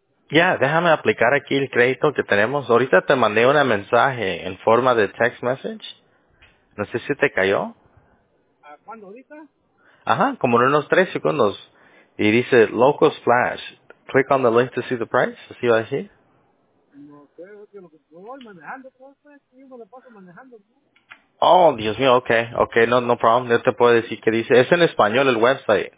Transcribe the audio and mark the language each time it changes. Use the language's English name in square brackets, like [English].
[Spanish] Ya, déjame aplicar aquí el crédito que tenemos. Ahorita te mandé un mensaje en forma de text message. No sé si te cayó. ¿Cuándo? ¿Ahorita? Ajá, como en unos 3 segundos. [English] Y dice, Local Splash, click on the link to see the price. [Spanish] ¿Así va a decir? No creo que lo que voy manejando, yo me lo paso manejando. Oh, Dios mío, ok, no problem. No te puedo decir qué dice. Es en español el website.